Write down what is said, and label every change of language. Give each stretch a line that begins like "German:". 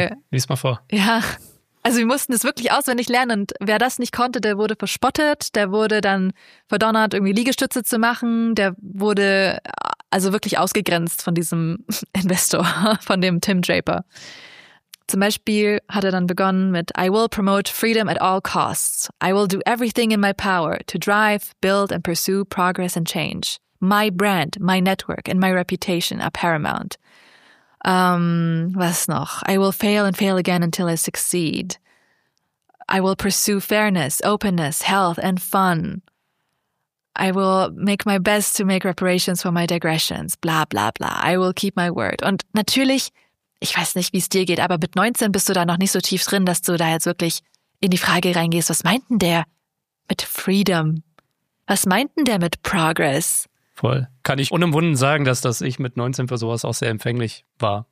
German: Lies mal vor. Ja, also wir mussten es wirklich auswendig lernen und wer das nicht konnte, der wurde verspottet, der wurde dann verdonnert, irgendwie Liegestütze zu machen, der wurde also wirklich ausgegrenzt von diesem Investor, von dem Tim Draper. Zum Beispiel hat er dann begonnen mit
English: I will promote freedom at all costs. I will do everything in my power to drive, build and pursue progress and change. My brand, my network and my reputation are paramount.
German: Was noch?
English: I will fail and fail again until I succeed. I will pursue fairness, openness, health and fun. I will make my best to make reparations for my digressions. Bla bla bla. I will keep my word.
German: Und natürlich, ich weiß nicht, wie es dir geht, aber mit 19 bist du da noch nicht so tief drin, dass du da jetzt wirklich in die Frage reingehst, was meint denn der mit Freedom? Was meint denn der mit Progress? Voll. Kann ich unumwunden sagen, dass ich mit 19 für sowas auch sehr empfänglich war.